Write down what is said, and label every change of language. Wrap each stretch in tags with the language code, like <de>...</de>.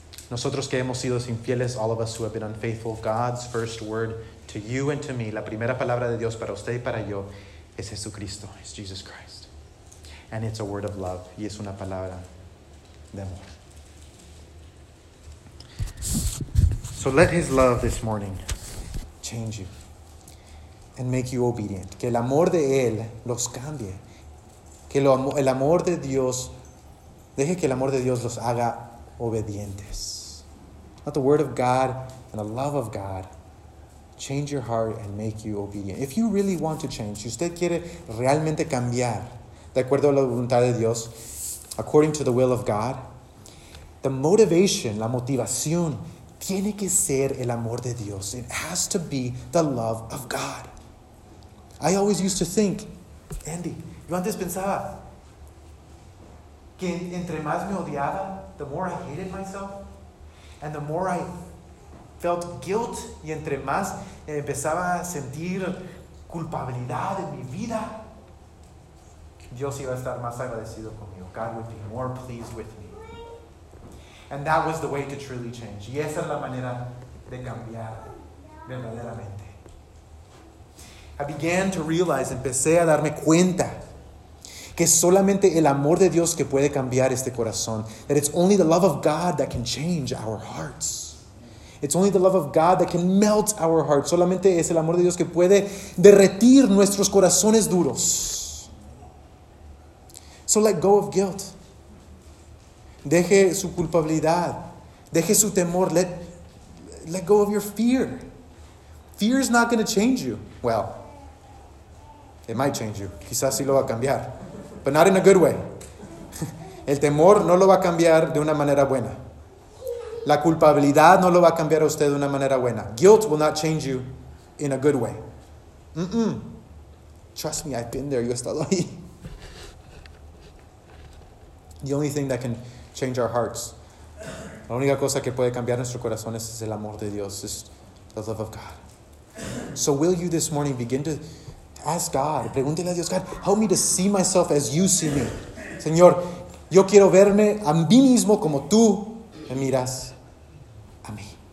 <es>Nosotros que hemos sido infieles,</es> <en>all of us who have been unfaithful, God's first word to you and to me,</en> <es>la primera palabra de Dios para usted y para yo, es Jesucristo.</es> <en>It's Jesus Christ. And it's a word of love.</en> <es>Y es una palabra de amor.</es> <en>So let his love this morning change you and make you obedient.</en> <es>Que el amor de él los cambie. Que el amor de Dios, deje que el amor de Dios los haga obedientes.</es> <en>Let the word of God and the love of God change your heart and make you obedient. If you really want to change,</en> <es>si usted quiere realmente cambiar, de acuerdo a la voluntad de Dios,</es> <en>according to the will of God, the motivation,</en> <es>la motivación, tiene que ser el amor de Dios.</es> <en>It has to be the love of God. I always used to think,</en> <es>Andy, yo antes pensaba que entre más me odiaba,</es> <en>the more I hated myself, and the more I felt guilt,</en> <es>y entre más empezaba a sentir culpabilidad en mi vida, Dios iba a estar más agradecido conmigo.</es> <en>God would be more pleased with me. And that was the way to truly change.</en> <es>Y esa es la manera de cambiar verdaderamente.</es> <en>I began to realize,</en> <es>empecé a darme cuenta que solamente el amor de Dios que puede cambiar este corazón.</es> <en>That it's only the love of God that can change our hearts. It's only the love of God that can melt our hearts.</en> <es>Solamente es el amor de Dios que puede derretir nuestros corazones duros.</es> <en>So let go of guilt.</en> <es>Deje su culpabilidad. Deje su temor.</es> <en>Let go of your fear. Fear is not going to change you. Well, it might change you.</en> <es>Quizás sí lo va a cambiar.</es> <en>But not in a good way.</en> <es>El temor no lo va a cambiar de una manera buena. La culpabilidad no lo va a cambiar a usted de una manera buena.</es> <en>Guilt will not change you in a good way. Mm-mm. Trust me, I've been there.</en> <es>Yo he estado ahí.</es> <en>The only thing that can change our hearts.</en> <es>La única cosa que puede cambiar nuestro corazón es el amor de Dios.</es> <en>Es the love of God. So will you this morning begin to ask God.</en> <es>Pregúntele a Dios,</es> <en>God, help me to see myself as you see me.</en> <es>Señor, yo quiero verme a mí mismo como tú me miras a mí.</es>